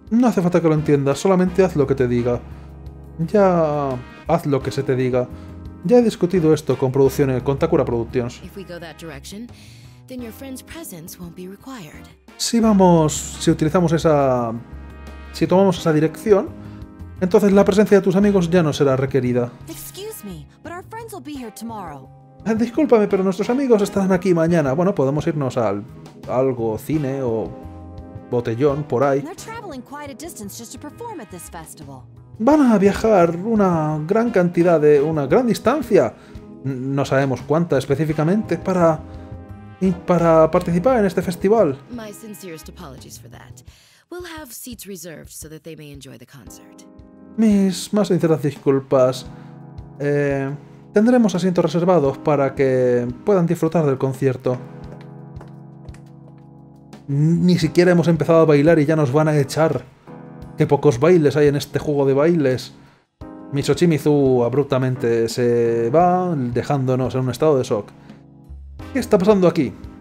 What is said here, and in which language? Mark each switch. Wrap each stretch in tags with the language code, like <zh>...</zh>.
<es>No hace falta que lo entiendas, solamente haz lo que te diga. Ya, haz lo que se te diga. Ya he discutido esto con producciones, con Takara Productions.</es> <en>If we go that direction, then your friend's presence won't be required.</en> <es>Si tomamos esa dirección, entonces la presencia de tus amigos ya no será requerida.</es> <en>Excuse me, but our friends will be here tomorrow.</en> <es>Discúlpame, pero nuestros amigos estarán aquí mañana. Bueno, podemos irnos al algo, cine o botellón por ahí.</es> <en>They're traveling quite a distance just to perform at this festival.</en> <es>Van a viajar una gran distancia, no sabemos cuánta específicamente, para participar en este festival.</es> <en>My sincerest apologies for that. We'll have seats reserved so that they may enjoy the concert.</en> <es>Mis más sinceras disculpas. Tendremos asientos reservados para que puedan disfrutar del concierto. Ni siquiera hemos empezado a bailar y ya nos van a echar. ¡Qué pocos bailes hay en este juego de bailes! Miso Chimizu abruptamente se va, dejándonos en un estado de shock. ¿Qué está pasando aquí?</es>